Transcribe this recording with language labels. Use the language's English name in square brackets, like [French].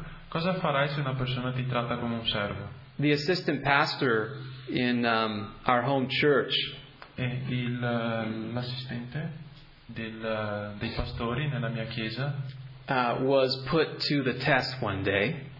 [Italian] Cosa farai se una persona ti tratta come un servo? [English] The assistant pastor in our home church, [Italian] l'assistente dei pastori nella mia chiesa, [English] Was put to the test one day.